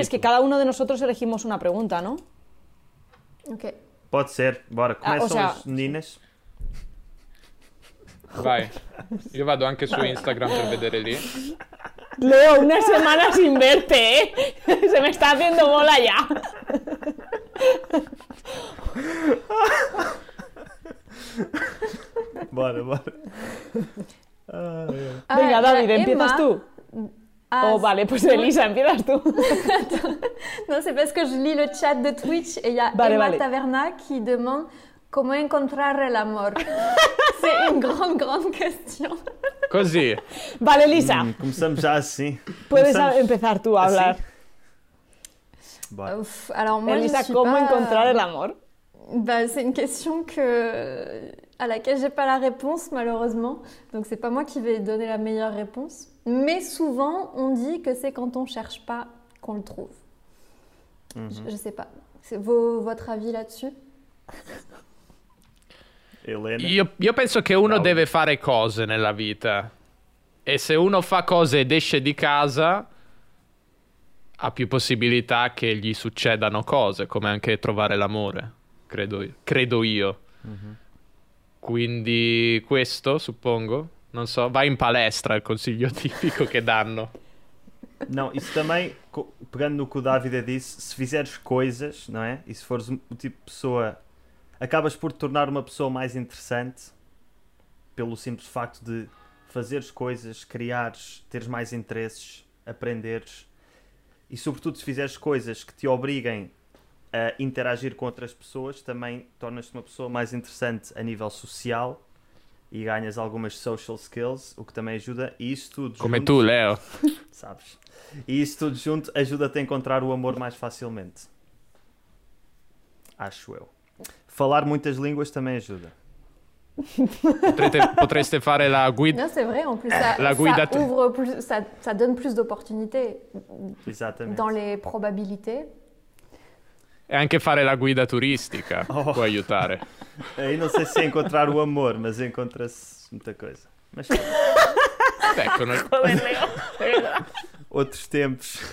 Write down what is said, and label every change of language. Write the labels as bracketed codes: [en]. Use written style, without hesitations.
[es] Es que cada uno de nosotros elegimos una pregunta, ¿no? [en] Okay. [es] Puede ser, bora, comienzan las meninas. [it] Vai, [es] yo [it] vado anche su Instagram para vedere lì. [es] Leo, una semana sin verte, ¿eh? Se me está haciendo bola ya. [pt] Bora, bora. [es] Venga, David, empiezas tú. Ah, oh, vale, pues Elisa, empiezas tú. No sé, pero es que yo leí el chat de Twitch y ya vale, Emma vale. Taverna que demanda cómo encontrar el amor. Es una gran, gran cuestión. [it] Così. [es] Vale, Elisa. Comenzamos ya así. Puedes empezar tú a hablar. [fr] Uf, alors moi, [es] Elisa, ¿cómo encontrar el amor? [fr] Bah, c'est une question que... à laquelle j'ai pas la réponse, malheureusement. Donc, c'est pas moi qui vais donner la meilleure réponse. Mais souvent, on dit que c'est quand on cherche pas qu'on le trouve. Mm-hmm. Je sais pas. C'est votre avis là-dessus? Elena. [it] Io penso che uno deve fare cose nella vita. E se uno fa cose ed esce di casa, ha più possibilità che gli succedano cose, come anche trovare l'amore. Credo io. Mm-hmm. Quindi questo, suppongo, non so, vai in palestra, il consiglio tipico che danno. [pt] Não, isso também, pegando no que o David disse, se fizeres coisas, não é? E se fores o tipo de pessoa, acabas por te tornar uma pessoa mais interessante pelo simples facto de fazeres coisas, criares, teres mais interesses, aprenderes. E sobretudo se fizeres coisas que te obriguem a interagir com outras pessoas, também tornas-te uma pessoa mais interessante a nível social e ganhas algumas [en] social skills, [pt] o que também ajuda. E isso tudo junto... Como é tu, Léo? Sabes? E isso tudo junto ajuda-te a encontrar o amor mais facilmente. Acho eu. Falar muitas línguas também ajuda. [it] Potreste fare la guida. [fr] Non, c'est vrai, en plus ça donne plus d'opportunités. Exactement. Dans les probabilités. [it] E anche fare la guida turistica può aiutare. Io non so se incontrare l'amore, ma incontrasse molta cosa. Ma ecco, non... Altri tempi.